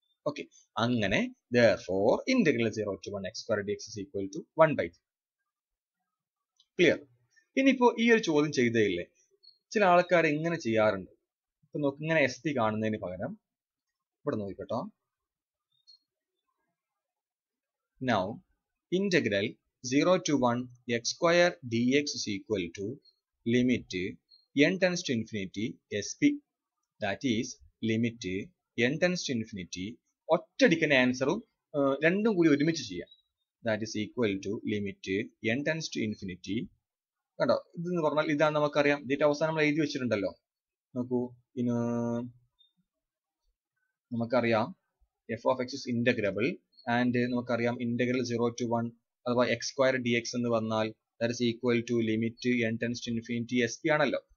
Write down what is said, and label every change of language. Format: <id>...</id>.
<en>okay,</en> <ml>അങ്ങനെ</ml> <en>Therefore integral zero to one x square d x is equal to one by three. Clear?</en> <ml>ഇനിയിപ്പോ ഈ ഒരു ചോദ്യം ചെയ്തേയില്ലേ, ചില ആൾക്കാർ ഇങ്ങനെ ചെയ്യാറുണ്ട്. ഇപ്പൊ നോക്ക്, ഇങ്ങനെ എസ് പി കാണുന്നതിന് പകരം ഇവിടെ നോക്കട്ടോ.</ml> <en>Now, integral 0 to 1 x square dx is equal to limit n tends to infinity sp. That is, limit n tends to infinity.</en> <ml>ഒറ്റടിക്കുന്ന ആൻസറും രണ്ടും കൂടി ഒരുമിച്ച് ചെയ്യാം.</ml> <en>That is equal to limit n tends to infinity.</en> <ml>കണ്ടോ, ഇതെന്ന് പറഞ്ഞാൽ ഇതാണ് നമുക്കറിയാം. ഇതിന്റെ അവസാനം നമ്മൾ എഴുതി വെച്ചിട്ടുണ്ടല്ലോ. നോക്കൂ, ഇനി നമുക്കറിയാം</ml> <en>F of x is integrable. And</en> <ml>നമുക്കറിയാം</ml> <en>integral zero to one</en> <ml>അഥവാ</ml> <en>x square d x</en> <ml>എന്ന് പറഞ്ഞാൽ</ml> <en>that is equal to limit n tends to infinity s p</en> <ml>ആണല്ലോ.</ml>